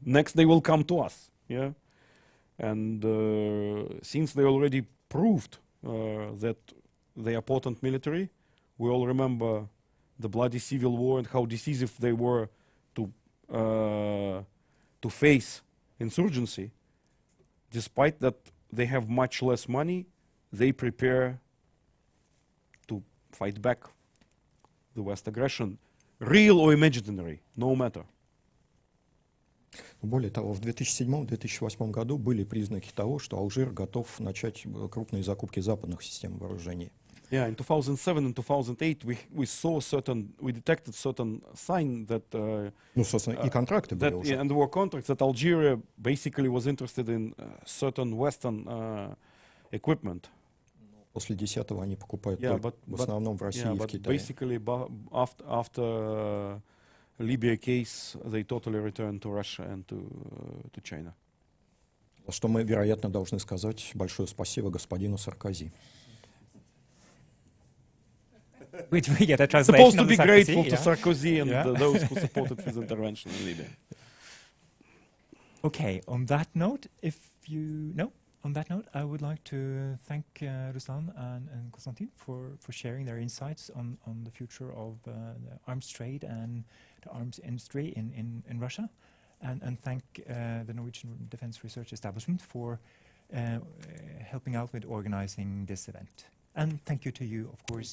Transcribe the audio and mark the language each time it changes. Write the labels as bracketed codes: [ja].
[en] Next, they will come to us. Yeah, and since they already proved that they are potent military, we all remember the bloody civil war and how decisive they were to face insurgency. Despite that, they have much less money. They prepare to fight back the West aggression. Real or imaginary, no matter. [ru] Более того, в 2007-2008 году были признаки того, что Алжир готов начать крупные закупки западных систем вооружений. [en] Yeah, in 2007 and 2008 we detected certain sign that [ru] и контракты были уже. [en] And there were contracts that Algeria basically was interested in certain Western equipment. [ru] После 10-го они покупают в основном в России и в Китае. [en] Basically, after Libya case, they totally returned to Russia and to China. [ru] Что мы, вероятно, должны сказать большое спасибо господину Саркози. [en] Which we get a translation. Supposed to be grateful to Sarkozy and those who supported his intervention in Libya. Okay, on that note, I would like to thank Ruslan and Konstantin for sharing their insights on the future of the arms trade and the arms industry in Russia, and thank the Norwegian Defence Research Establishment for helping out with organizing this event. And thank you to you, of course.